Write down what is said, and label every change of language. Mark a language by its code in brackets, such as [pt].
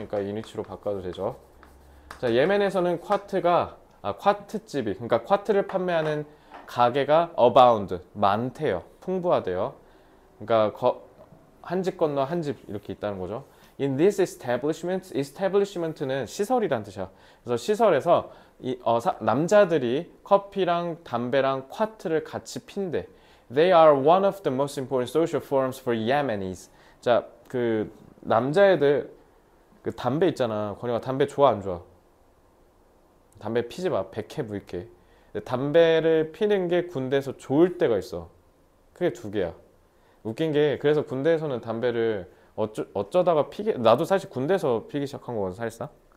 [ko] 그러니까 유니치로 바꿔도 되죠. 자, 예멘에서는 콰트집이 그러니까 콰트를 판매하는 가게가 abound 많대요. 풍부하대요. 그러니까 한집 건너 한집 이렇게 있다는 거죠. [en] In this establishment, establishment는 [ko] 시설이란 뜻이야. 그래서 시설에서 남자들이 커피랑 담배랑 콰트를 같이 핀대. [en] They are one of the most important social forums for Yemenis. [ko] 자, 그 남자애들 그 담배 있잖아. 권영아 담배 좋아 안 좋아? 담배 피지 마. 백해 불케. 담배를 피는 게 군대에서 좋을 때가 있어. 그게 두 개야. 웃긴 게 그래서 군대에서는 담배를 어쩌다가 피게 나도 사실 군대에서 피기 시작한 거거든, 사실상.